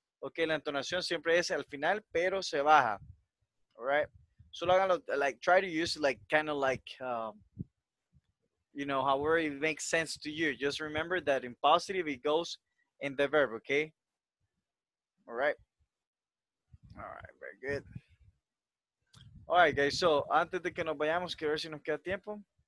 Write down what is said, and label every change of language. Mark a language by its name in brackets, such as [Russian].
[Spanish] Okay, la entonación siempre es al final, pero se baja. [English] All right? [Spanish] Solo háganlo, [English] like, try to use, like, kind of like, you know, however it makes sense to you. Just remember that in positive, it goes in the verb, okay? All right? All right, very good. All right, guys, so [Spanish] antes de que nos vayamos, quiero ver si nos queda tiempo.